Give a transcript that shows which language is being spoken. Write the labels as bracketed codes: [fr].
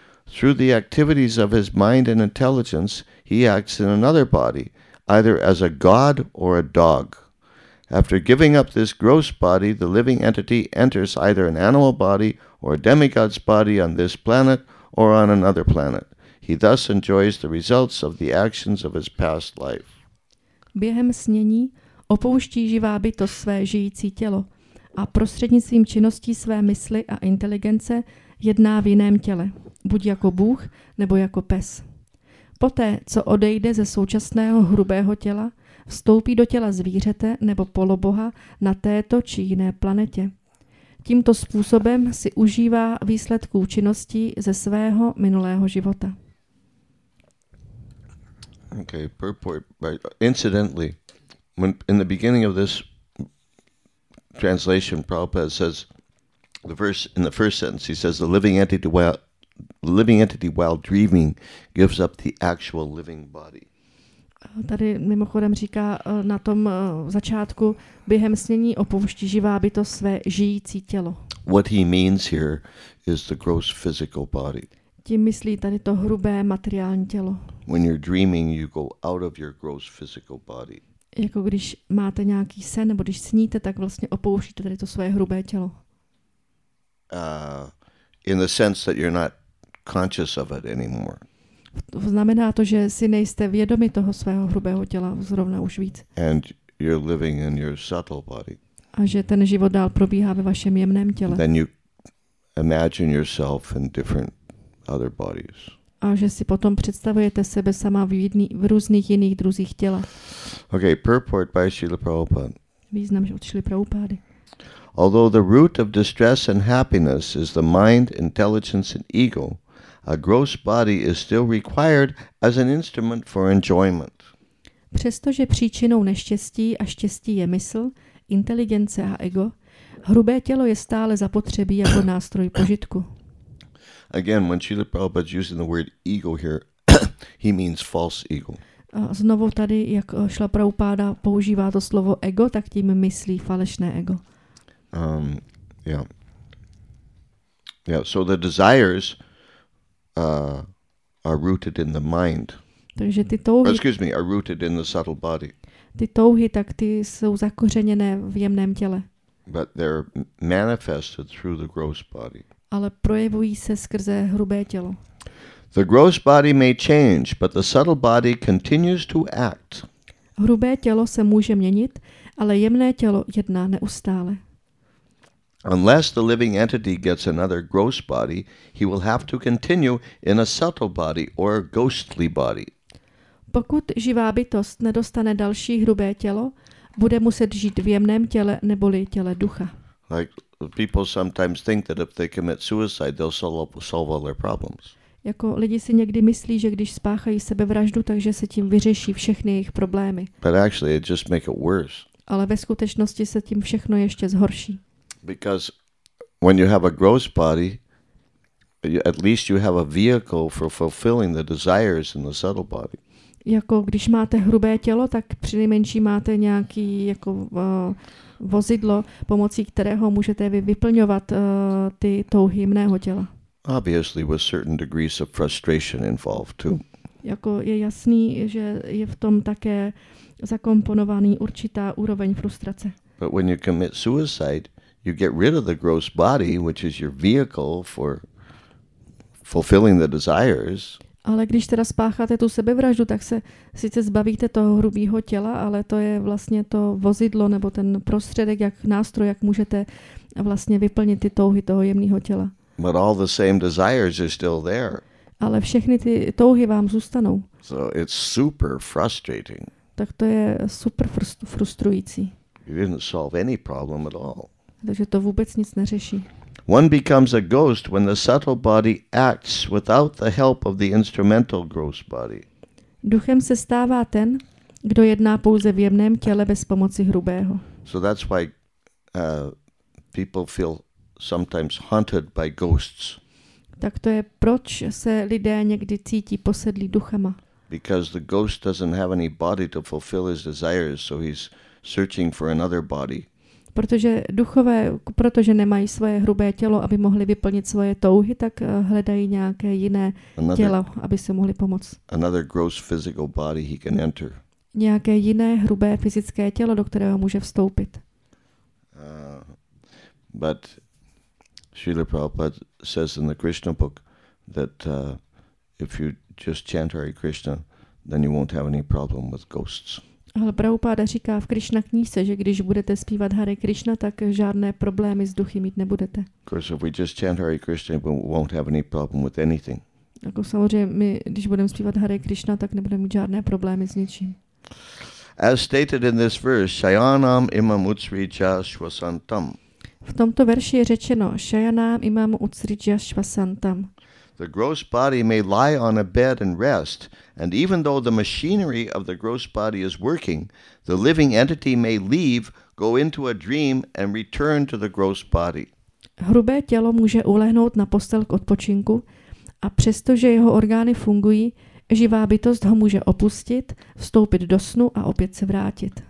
[en] Through the activities of his mind and intelligence, he acts in another body, either as a god or a dog. After giving up this gross body, the living entity enters either an animal body or a demigod's body on this planet or on another planet. He thus enjoys the results of the actions of his past life. [cs] Během snění opouští živá bytost své žijící tělo a prostřednictvím činností své mysli a inteligence jedná v jiném těle, buď jako bůh nebo jako pes. Poté, co odejde ze současného hrubého těla, vstoupí do těla zvířete nebo poloboha na této či jiné planetě. Tímto způsobem si užívá výsledků činností ze svého minulého života. [en] Okay, incidentally, when in the beginning of this translation, Prabhupada says the verse in the first sentence, he says the living entity while dreaming gives up the actual living body. [cs] Tady mimochodem říká na tom začátku, během snění opouští živá bytost své žijící tělo. [en] What he means here is the gross physical body. [cs] Tím myslí tady to hrubé materiální tělo. [en] When you're dreaming, you go out of your gross physical body. [cs] Jako když máte nějaký sen, nebo když sníte, tak vlastně opouštíte tady to své hrubé tělo. [en] In the sense that you're not conscious of it anymore. [cs] Znamená to, že si nejste vědomi toho svého hrubého těla zrovna už víc. [en] And you're living in your subtle body. [cs] A že ten život dál probíhá ve vašem jemném těle. [en] Then you imagine yourself in different other bodies. [cs] A že si potom představujete sebe sama v různých jiných druzích těla. [en] Okay, purport by Srila Prabhupada. [cs] Význam od Srila Prabhupady. [en] Although the root of distress and happiness is the mind, intelligence and ego, a gross body is still required as an instrument for enjoyment. [cs] Přestože příčinou neštěstí a štěstí je mysl, inteligence a ego, hrubé tělo je stále zapotřebí jako nástroj požitku. [en] Again, when Srila Prabhupada is using the word ego here, he means false ego. [cs] Znovu tady, jak Srila Prabhupada používá to slovo ego, tak tím myslí falešné ego. [en] So the desires are rooted in the mind. [cs] Takže ty touhy, [en] are rooted in the subtle body. [cs] Ty touhy, tak ty jsou zakořeněné v jemném těle. [en] But they're manifested through the gross body. [cs] Ale projevují se skrze hrubé tělo. [en] The gross body may change, but the subtle body continues to act. [cs] Hrubé tělo se může měnit, ale jemné tělo jedná neustále. [en] Unless the living entity gets another gross body, he will have to continue in a subtle body or a ghostly body. [cs] Pokud živá bytost nedostane další hrubé tělo, bude muset žít v jemném těle neboli těle ducha. [en] Like people sometimes think that if they commit suicide, they'll solve all their problems. [cs] Jako lidi si někdy myslí, že když spáchají sebevraždu, takže se tím vyřeší všechny jejich problémy. [en] But actually, it just makes it worse. [cs] Ale ve skutečnosti se tím všechno ještě zhorší. [en] Because when you have a gross body, at least you have a vehicle for fulfilling the desires in the subtle body. [cs] Jako když máte hrubé tělo, tak přinejmenší máte nějaký jako vozidlo, pomocí kterého můžete vy vyplňovat ty touhy jemného těla. [en] Obviously with certain degrees of frustration involved too. [cs] Jako je jasný, že je v tom také zakomponovaný určitá úroveň frustrace. [en] But when you commit suicide, you get rid of the gross body, which is your vehicle for fulfilling the desires. [cs] Ale když teda spácháte tu sebevraždu, tak se sice zbavíte toho hrubého těla, ale to je vlastně to vozidlo nebo ten prostředek, jak nástroj, jak můžete vlastně vyplnit ty touhy toho jemného těla. [en] But all the same desires are still there. [cs] Ale všechny ty touhy vám zůstanou. [en] So it's super frustrating. [cs] Tak to je super frustrující. [en] You didn't solve any problem at all. [cs] Takže to vůbec nic neřeší. [en] One becomes a ghost when the subtle body acts without the help of the instrumental gross body. [cs] Duchem se stává ten, kdo jedná pouze v jemném těle bez pomoci hrubého. [en] So that's why people feel sometimes haunted by ghosts. [cs] Tak to je, proč se lidé někdy cítí posedlí duchama. [en] Because the ghost doesn't have any body to fulfill his desires, so he's searching for another body. [cs] Protože duchové, protože nemají svoje hrubé tělo, aby mohli vyplnit svoje touhy, tak hledají nějaké jiné tělo, aby se mohli pomoct. [en] Another gross physical body he can enter. [cs] Nějaké jiné hrubé fyzické tělo, do kterého může vstoupit. [en] But Srila Prabhupada says in the Krishna book that if you just chant Hare Krishna, then you won't have any problem with ghosts. [cs] Ale Prabhupada říká v Krishna knize, že když budete zpívat Hare Krishna, tak žádné problémy s duchy mít nebudete. [en] Of course, if we just chant Hare Krishna, we won't have any problem with anything. [cs] Jako samozřejmě, my, když budeme zpívat Hare Krishna, tak nebudeme mít žádné problémy s ničím. [en] As stated in this verse, [sa] Shayanam imam utsrija shvasantam. [cs] V tomto verši je řečeno [sa] Shayanam imam utsrija shvasantam. [en] The gross body may lie on a bed and rest, and even though the machinery of the gross body is working, the living entity may leave, go into a dream, and return to the gross body. [cs] Hrubé tělo může ulehnout na postel k odpočinku, a přestože jeho orgány fungují, živá bytost ho může opustit, vstoupit do snu a opět se vrátit.